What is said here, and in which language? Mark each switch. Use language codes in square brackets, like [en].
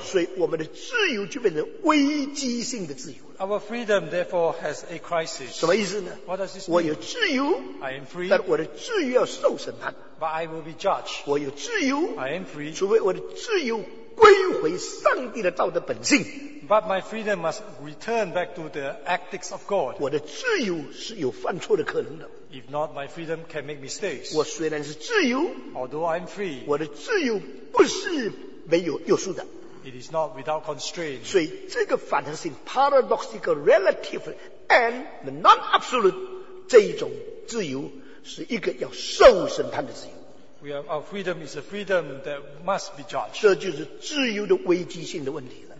[zh] 所以我们的自由就变成危机性的自由了。 [en] Our freedom therefore has a crisis. [zh] 什么意思呢? [en] What does this mean? [zh] 我有自由, [en] I am free. [zh] 但我的自由要受审判。 [en] But I will be judged. [zh] 我有自由, [en] I am free. [zh] 除非我的自由 归回上帝的道德本性, [en] but my freedom must return back to the ethics of God. [zh] 我的自由是有犯错的可能的。 [en] If not, my freedom can make mistakes. [zh] 我虽然是自由, [en] although I'm free, [zh] 我的自由不是没有约束的。 [en] It is not without constraint. [zh] 所以这个反合性, [en] paradoxical, relative, and the non-absolute, [zh] 这一种自由是一个要受审判的自由。 [en] We are, our freedom is a freedom that must be judged. [zh] 这就是自由的危机性的问题了。